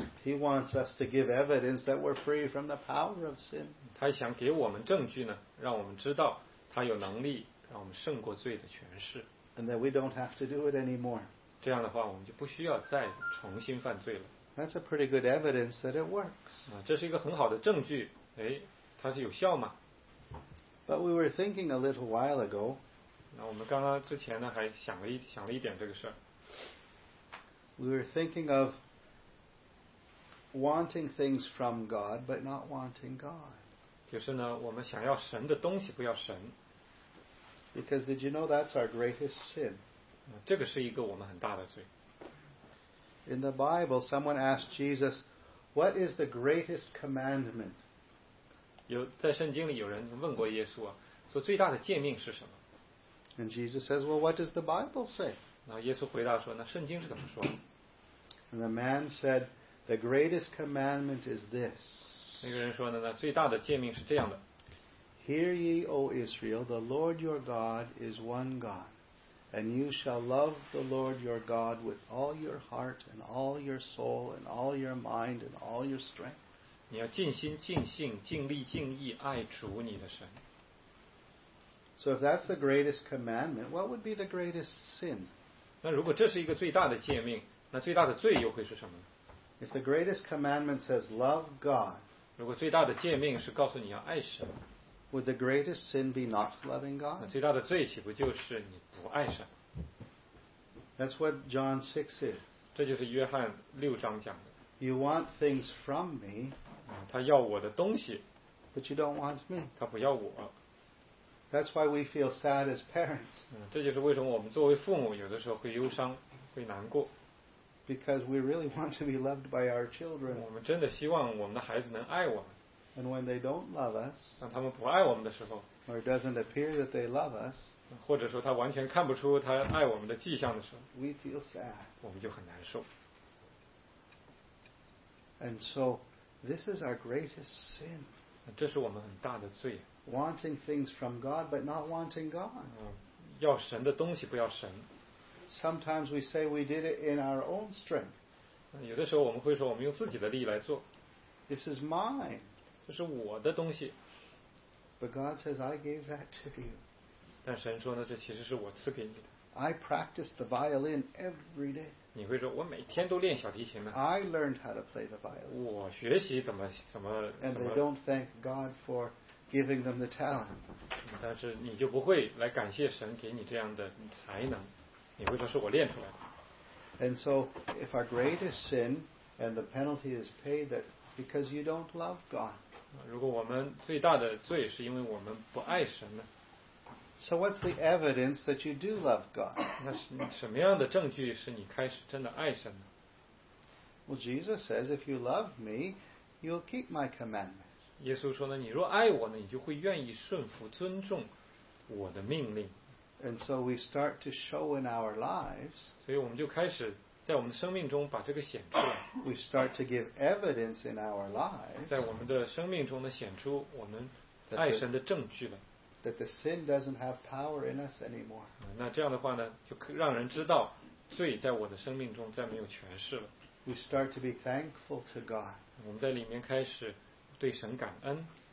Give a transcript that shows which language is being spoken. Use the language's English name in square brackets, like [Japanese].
[English] He wants us to give evidence that we're free from the power of sin. [Chinese] 他想给我们证据呢，让我们知道他有能力让我们胜过罪的权势。 [English] And that we don't have to do it anymore. [Chinese] 这样的话，我们就不需要再重新犯罪了。 [English] That's a pretty good evidence that it works. [Chinese] 这是一个很好的证据。哎，它是有效吗 [English] But we were thinking a little while ago. [Chinese] 那我们刚刚之前呢，还想了一点这个事儿。 [English] We were thinking of wanting things from God, but not wanting God. [Chinese] 就是呢，我们想要神的东西，不要神。 [English] Because did you know that's our greatest sin? [Chinese] 这个是一个我们很大的罪。 [English] In the Bible, someone asked Jesus, "What is the greatest commandment?" [Chinese] 有在圣经里有人问过耶稣啊，说最大的诫命是什么？ [English] And Jesus says, "Well, what does the Bible say?" [Chinese] 那耶稣回答说，那圣经是怎么说？ [English] And the man said, "The greatest commandment is this." [Chinese] 那个人说呢，那最大的诫命是这样的。 [English] Hear ye, O Israel, the Lord your God is one God. And you shall love the Lord your God with all your heart and all your soul and all your mind and all your strength. [Chinese] 你要尽心尽性尽力尽意爱主你的神。 [English] So if that's the greatest commandment, what would be the greatest sin? [Chinese] 那如果这是一个最大的诫命，那最大的罪又会是什么呢？ [English] If the greatest commandment says love God, [Chinese] 如果最大的诫命是告诉你要爱神。 [English] Would the greatest sin be not loving God? [Chinese] 最大的罪岂不就是你不爱神？ [English] That's what John 6 is. [Chinese] 这就是约翰六章讲的。 [English] You want things from me. [Chinese] 他要我的东西。 [English] But you don't want me. [Chinese] 他不要我。 [English] That's why we feel sad as parents. [Chinese] 这就是为什么我们作为父母有的时候会忧伤，会难过。 [English] Because we really want to be loved by our children. [Chinese] 我们真的希望我们的孩子能爱我们。 [English] And when they don't love us, [Chinese] 当他们不爱我们的时候 [English] or it doesn't appear that they love us, [Chinese] 或者说他完全看不出他爱我们的迹象的时候 [English] we feel sad. [Chinese] 我们就很难受。 [English] And so, this is our greatest sin. [Chinese] 这是我们很大的罪。 [English] Wanting things from God, but not wanting God. [Chinese] 要神的东西不要神。 [English] Sometimes we say we did it in our own strength. [Chinese] 有的时候我们会说我们用自己的力来做。 [English] This is mine. [Chinese] 这是我的东西。 [English] But God says I gave that to you. [Chinese] 但神说呢，这其实是我赐给你的。 [English] I practiced the violin every day. [Chinese] 你会说，我每天都练小提琴吗 [English] ？I learned how to play the violin. [Chinese] 我学习怎么。 [English] And they don't thank God for giving them the talent. [Chinese] 但是你就不会来感谢神给你这样的才能，你会说是我练出来的。 [English] And so if our greatest sin and the penalty is paid that. Because you don't love God. [Chinese] 如果我们最大的罪是因为我们不爱神呢 [English] ？So what's the evidence that you do love God? [Chinese] 那是什么样的证据是你开始真的爱神呢 [English] ？Well, Jesus says, if you love me, you'll keep my commandments. [Chinese] 耶稣说呢，你若爱我呢，你就会愿意顺服、尊重我的命令。 [English] And so we start to show in our lives. [Chinese] 所以我们就开始。在我们的生命中把这个显出来。 [English] We start to give evidence in our lives. [Chinese] 在我们的生命中呢，显出我们爱神的证据了。 [English] That the sin doesn't have power in us anymore. [Chinese] 那这样的话呢，就让人知道罪在我的生命中再没有权势了。 [English] We start to be thankful to God. [Chinese] 我们在里面开始对神感恩。